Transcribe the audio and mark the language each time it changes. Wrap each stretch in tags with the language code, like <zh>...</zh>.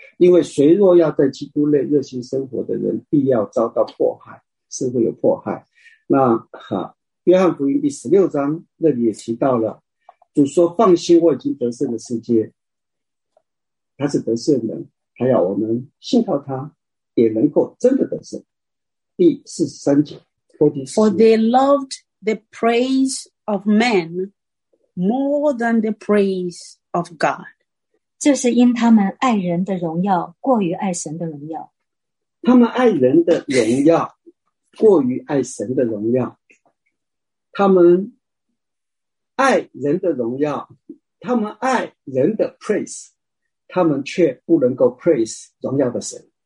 <zh>因为谁若要在基督内热心生活的人，必要遭到迫害，是会有迫害。那哈，约翰福音第十六章那里也提到了，主说：“放心，我已经得胜了世界。” 他是得胜的，他要我们信靠他，也能够真的得胜。第四十三节。</zh> <en>For they loved the praise of men more than the praise of God.</en> <zh>这是因他们爱人的荣耀过于爱神的荣耀。他们爱人的荣耀过于爱神的荣耀。他们爱人的荣耀，他们爱人的 praise， 他们却不能够 praise 荣耀的神。</zh>